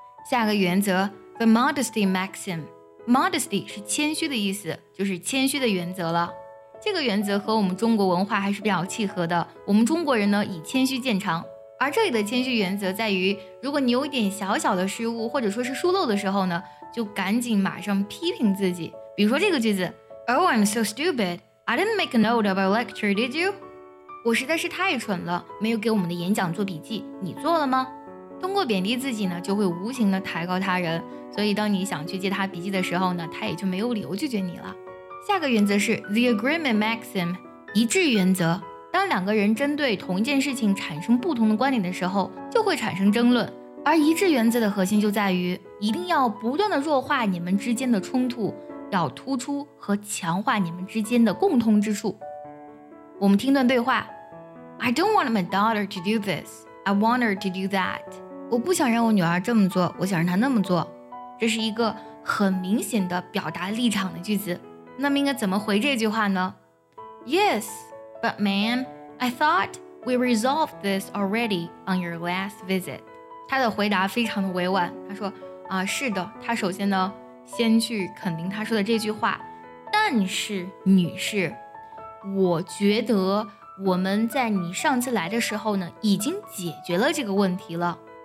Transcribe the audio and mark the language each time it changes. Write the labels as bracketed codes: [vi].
[zh] 下个原则 The Modesty Maxim， Modesty 是谦虚的意思，就是谦虚的原则了。这个原则和我们中国文化还是比较契合的，我们中国人呢以谦虚见长。而这里的谦虚原则在于，如果你有一点小小的失误或者说是疏漏的时候呢，就赶紧马上批评自己。比如说这个句子 [en] Oh, I'm so stupid. I didn't make a note of our lecture, did you? [zh] 我实在是太蠢了，没有给我们的演讲做笔记，你做了吗？通过贬低自己呢，就会无形的抬高他人，所以当你想去借他笔记的时候呢，他也就没有理由拒绝你了。下个原则是 The Agreement Maxim， 一致原则。当两个人针对同一件事情产生不同的观点的时候，就会产生争论。而一致原则的核心就在于一定要不断的弱化你们之间的冲突，要突出和强化你们之间的共通之处。我们听段对话。 [en] I don't want my daughter to do this, I want her to do that. [zh] 我不想让我女儿这么做，我想让她那么做。这是一个很明显的表达立场的句子，那么应该怎么回这句话呢？ [en] Yes, but ma'am, I thought we resolved this already on your last visit. [zh] 他的回答非常的委婉，他说啊，是的，他首先呢先去肯定他说的这句话，但是女士，我觉得我们在你上次来的时候呢已经解决了这个问题了。